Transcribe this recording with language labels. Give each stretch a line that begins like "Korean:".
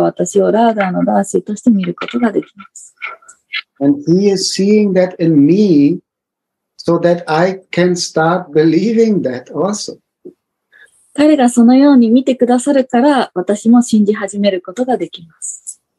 Japanese: 彼が私の魂を見ることができ、彼が私をラーダーのダーシーとして見ることができます。
English: And he is seeing that in me so that I can start believing that also.
Japanese: 彼がそのように見てくださるから、私も信じ始めることができます。